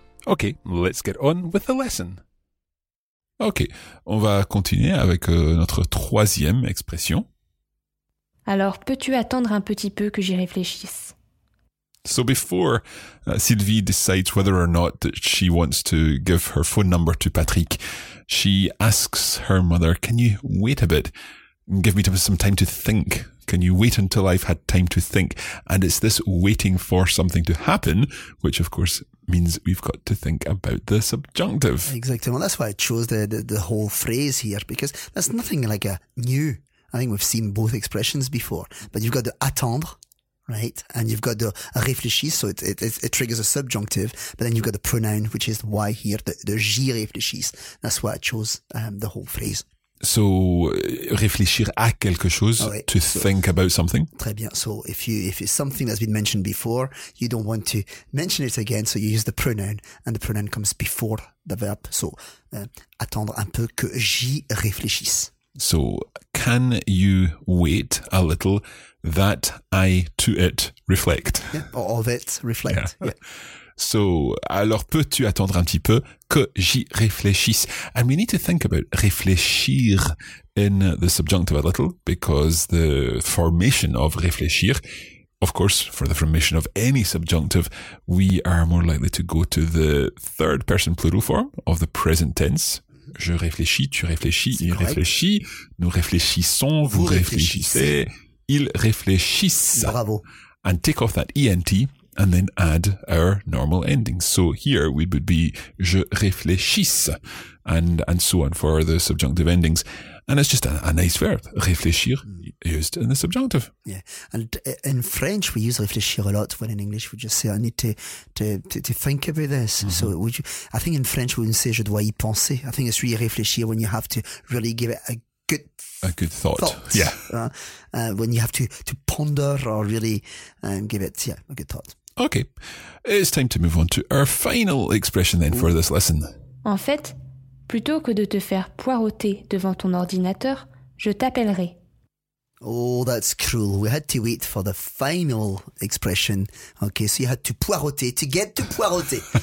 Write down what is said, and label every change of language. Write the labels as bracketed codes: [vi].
[en] Okay, let's get on with the lesson. [fr] Okay, on va continuer avec notre troisième expression. Alors, peux-tu attendre un petit peu que j'y réfléchisse? [en] So before Sylvie decides whether or not that she wants to give her phone number to Patrick, she asks her mother, can you wait a bit and give me some time to think? Can you wait until I've had time to think? And it's this waiting for something to happen, which of course means we've got to think about the subjunctive. Exactly. Well, that's why I chose the whole phrase here, because that's nothing like a new. I think we've seen both expressions before, but you've got the attendre, right? And you've got the réfléchir, so it triggers a subjunctive, but then you've got the pronoun, which is why here, the [fr] j'y réfléchis. [en] That's why I chose the whole phrase. So, [fr] réfléchir à quelque chose, [en] oh, right. Think about something. [fr] Très bien. [en] So, if it's something that's been mentioned before, you don't want to mention it again, so you use the pronoun, and the pronoun comes before the verb. [fr] So, attendre un peu que j'y réfléchisse. [en] So, can you wait a little that I to it reflect? Yeah, or of it reflect. Yeah. Yeah. [fr] So, alors peux-tu attendre un petit peu que j'y réfléchisse? [en] And we need to think about réfléchir in the subjunctive a little, because the formation of réfléchir, of course, for the formation of any subjunctive, we are more likely to go to the third person plural form of the present tense. [fr] Je réfléchis, tu réfléchis, il réfléchit, nous réfléchissons, vous réfléchissez, ils réfléchissent. Bravo. [en] And take off that ENT and then add our normal ending. So here we would be [fr] je réfléchisse [en] and so on for the subjunctive endings. And it's just a nice verb, réfléchir, used in the subjunctive. Yeah, and in French we use réfléchir a lot, when in English we just say I need to think about this. Mm-hmm. So would you, I think in French we wouldn't say [fr] je dois y penser. [en] I think it's really réfléchir when you have to really give it a good thought. Yeah. When you have to ponder or really give it, yeah, a good thought. Okay, it's time to move on to our final expression then for this lesson. [fr] En fait, plutôt que de te faire poireauter devant ton ordinateur, je t'appellerai. [en] Oh, that's cruel. We had to wait for the final expression. Okay, so you had to poireauter, to get to poireauter.